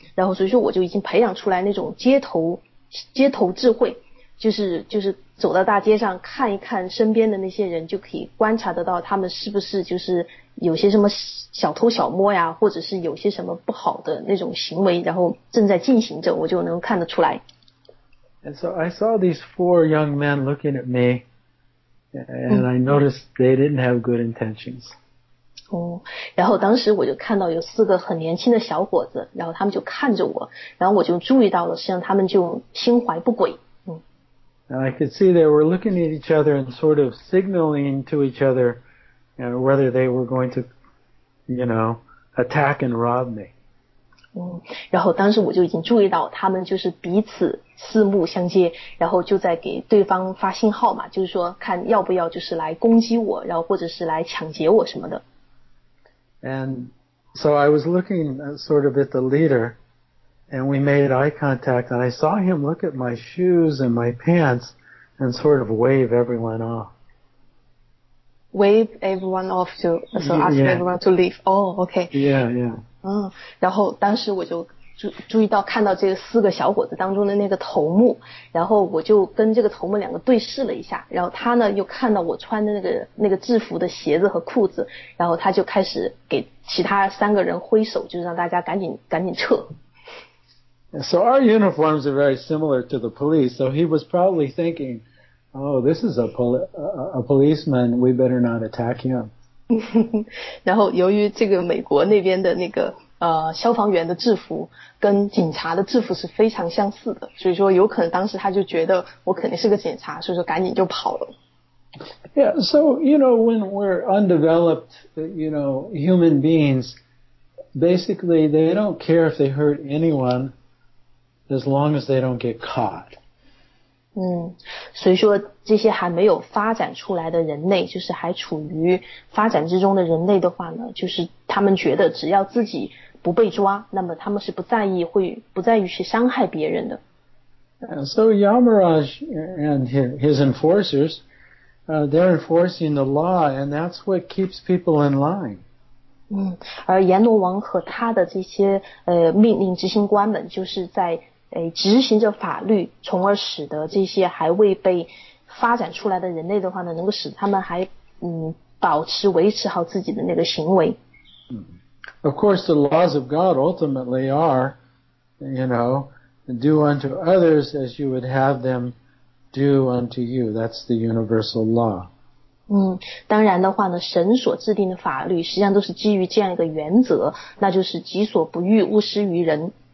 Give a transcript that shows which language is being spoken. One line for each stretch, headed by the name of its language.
Chinese: 然后所以说我就已经培养出来那种街头智慧，就是走到大街上看一看身边的那些人，就可以观察得到他们是不是就是有些什么小偷小摸呀，或者是有些什么不好的那种行为然后正在进行着，我就能看得出来。
English: And so I saw these four young men looking at me and I noticed they didn't have good intentions.
Chinese: 然后当时我就看到有四个很年轻的小伙子，然后他们就看着我，然后我就注意到了实际上他们就心怀不轨。
English: And I could see they were looking at each other and sort of signaling to each other, you know, whether they were going to, you know, attack and rob me.
Chinese: 然后当时我就已经注意到他们就是彼此四目相接，然后就在给对方发信号嘛，就是说看要不要就是来攻击我，然后或者是来抢劫我什么的。
English: And so I was looking sort of at the leader and we made eye contact and I saw him look at my shoes and my pants and sort of wave everyone off. Wave everyone off, to, so ask yeah, everyone to leave. Oh, okay. Yeah, yeah.
Chinese: 然后当时我就注意到看到这个四个小伙子当中的那个头目，然后我就跟这个头目两个对视了一下，然后他呢又看到我穿的那个制服的鞋子和裤子，然后他就开始给其他三个人挥手，就是让大家赶紧撤。
English: So our uniforms are very similar to the police, so he was probably thinking, oh, this is a policeman, we better not attack him.
Chinese: 然后由于这个美国那边的那个消防员的制服跟警察的制服是非常相似的，所以说有可能当时他就觉得我肯定是个警察，所以说赶紧就跑了。
English: Yeah, so, you know, when we're undeveloped, you know, human beings, basically they don't care if they hurt anyone as long as they don't get caught.
Chinese: 所以说这些还没有发展出来的人类，就是还处于发展之中的人类的话呢，就是他们觉得只要自己不被抓，那么他们是不在意去伤害别人的。
English: So Yamaraj and his enforcers, they're enforcing the law, and that's what keeps people in line.
Chinese: 而阎罗王和他的这些命令执行官们就是在执行着法律，从而使得这些还未被发展出来的人类的话呢，能够使他们还保持维持好自己的那个行为。
English: Of course, the laws of God ultimately are, you know, do unto others as you would have them do unto you. That's the universal law.
Chinese: 当然的话呢，神所制定的法律实际上都是基于这样一个原则，那就是己所不欲，勿施于人。